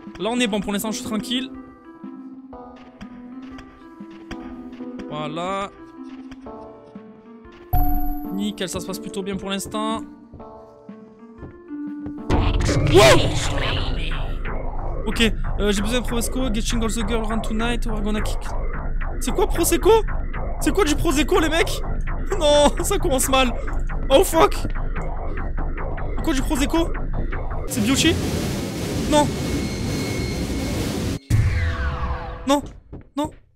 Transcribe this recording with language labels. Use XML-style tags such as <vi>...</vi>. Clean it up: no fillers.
<fr>Là on est bon, pour l'instant je suis tranquille. Voilà. Nickel, ça se passe plutôt bien pour l'instant. Wow. Ok, j'ai besoin de Prosecco.</fr> <en>Getting all the girls around tonight, we're gonna kick.</en> <fr>C'est quoi Prosecco? C'est quoi du Prosecco, les mecs? Non, ça commence mal. Oh fuck. C'est quoi du Prosecco? C'est Biochi? Non. Non. Non.</fr>